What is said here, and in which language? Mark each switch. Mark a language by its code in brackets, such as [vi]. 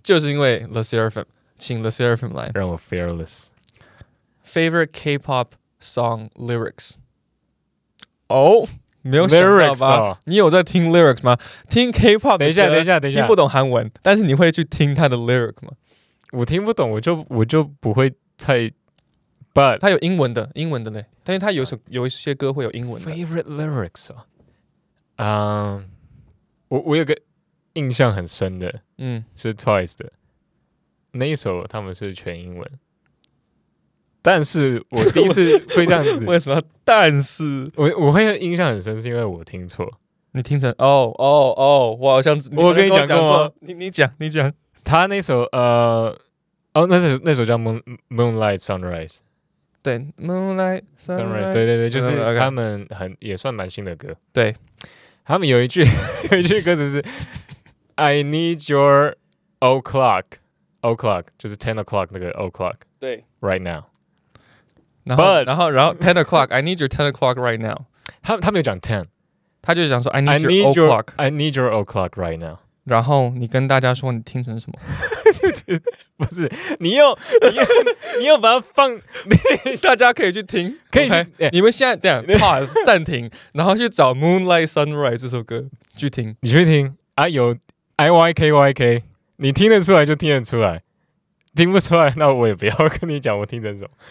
[zh] 就是因为 The Seraphim， 请 The Seraphim 来让我 fearless。 [en] Favorite K-pop song lyrics？ [zh] 哦。没有想到吧？你有在听 lyrics 吗？听 K-pop 的歌，等一下，听不懂韩文，但是你会去听他的 lyric 吗？我听不懂，我就不会太。 [en] But [zh] 他有英文的嘞，但是他有一些歌会有英文的。 [en] Favorite lyrics [zh] 啊，我有个印象很深的，是 Twice 的那一首，他们是全英文。但是我第一次会这样子，为什么？但是我会印象很深，是因为我听错，你听成哦哦哦，我好像我跟你讲过吗？你讲，他那首那首叫 Moonlight Sunrise，对 Moonlight Sunrise， 对对对，就是他们很也算蛮新的歌，对，他们有一句歌词是 [en] I need your o'clock [zh] 就是 [en] ten o'clock [zh] 那个 o'clock，对 [en] ，right now。 [zh] 然后 [en] ten o'clock， I need your ten o'clock right now。 [zh] 他没有讲 ten，他就讲说 [en] I need your o'clock right now。 [zh] 然后你跟大家说你听成什么？不是，你又把它放，大家可以去听，可以。 [en] Okay? [zh] 你们现在等下 pause 暂停，然后去找 Moonlight Sunrise 这首歌去听，你去听啊，有 IYKYK， 你听得出来就听得出来，听不出来那我也不要跟你讲我听这首。